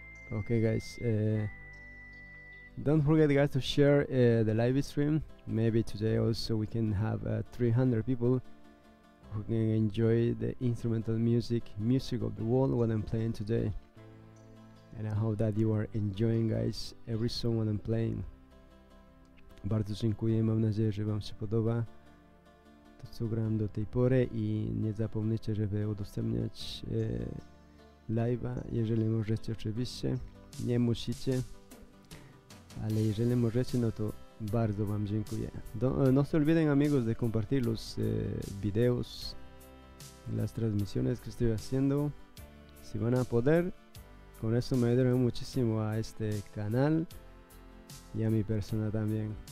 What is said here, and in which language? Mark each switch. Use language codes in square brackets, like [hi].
[en] Okay guys, don't forget guys to share the live stream. Maybe today also we can have 300 people who can enjoy the instrumental music of the world, what I'm playing today. And I hope that you are enjoying guys every song what I'm playing. [pl] Bardzo dziękuję, mam nadzieję, że wam się podoba to, co grałem do tej pory, i nie zapomnijcie, żeby udostępniać live'a, jeżeli możecie oczywiście, nie musicie, ale jeżeli możecie, no to bardzo wam dziękuję. [es] No se olviden amigos de compartir los videos, las transmisiones que estoy haciendo, si van a poder, con eso me ayudarán muchísimo a este canal y a mi persona también.